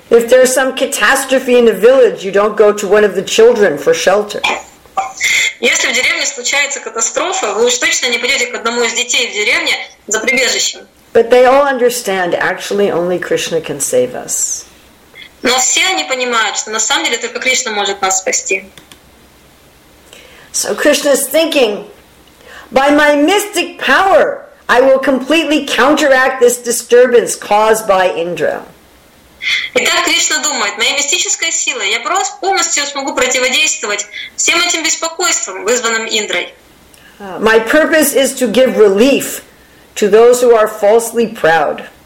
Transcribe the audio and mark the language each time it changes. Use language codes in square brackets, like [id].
[en] If there is some catastrophe in a village, you don't go to one of the children for shelter. [ru] Если в деревне случается катастрофа, вы уж точно не пойдете к одному из детей в деревне за прибежищем. [en] But they all understand, actually, only Krishna can save us. [ru] Но все они понимают, что на самом деле только Кришна может нас спасти. [en] So Krishna is thinking, by my mystic power, I will completely counteract this disturbance caused by Indra. [ru] Итак, Кришна думает, моей мистической силой я просто полностью смогу противодействовать всем этим беспокойствам, вызванным Индрой. [en] My purpose is to give relief to those who are falsely proud.